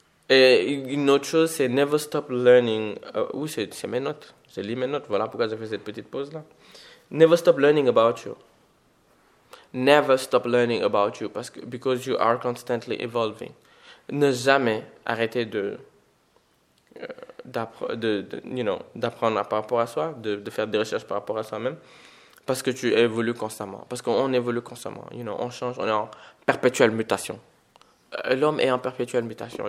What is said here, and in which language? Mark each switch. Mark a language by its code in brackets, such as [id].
[fr] Et une autre chose, c'est [en] never stop learning. [fr] Oui, c'est mes notes. J'ai lu mes notes. Voilà pourquoi j'ai fait cette petite pause là. [en] Never stop learning about you. Never stop learning about you because you are constantly evolving. [fr] Ne jamais arrêter d'apprendre par rapport à soi, de faire des recherches par rapport à soi-même. Parce que tu évolues constamment. Parce qu'on évolue constamment. [en] You know, [fr] on change. On est en perpétuelle mutation. L'homme est en perpétuelle mutation.